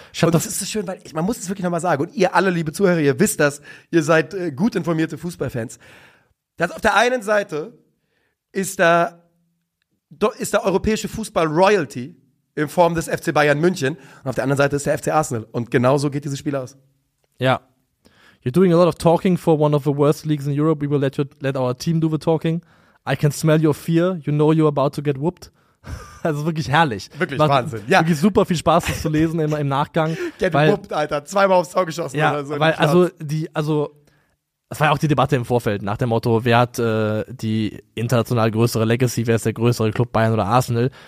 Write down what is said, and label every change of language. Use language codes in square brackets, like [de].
[de] Das ist so schön, weil man muss es wirklich nochmal sagen. Und ihr alle, liebe Zuhörer, ihr wisst das. Ihr seid gut informierte Fußballfans. Dass auf der einen Seite ist da europäische Fußball-Royalty in Form des FC Bayern München und auf der anderen Seite ist der FC Arsenal. Und genau so geht dieses Spiel aus. Ja. [en] You're doing a lot of talking for one of the worst leagues in Europe. We will let our team do the talking. I can smell your fear. You know you're about to get whooped. [de] Also wirklich herrlich. Wirklich macht Wahnsinn. Ja. Wirklich super viel Spaß, das zu lesen immer im Nachgang. [en] Get whooped, Alter. [de] Zweimal aufs Tor geschossen. Ja, oder so. Weil das war ja auch die Debatte im Vorfeld nach dem Motto, wer hat die international größere Legacy, wer ist der größere Club, Bayern oder Arsenal?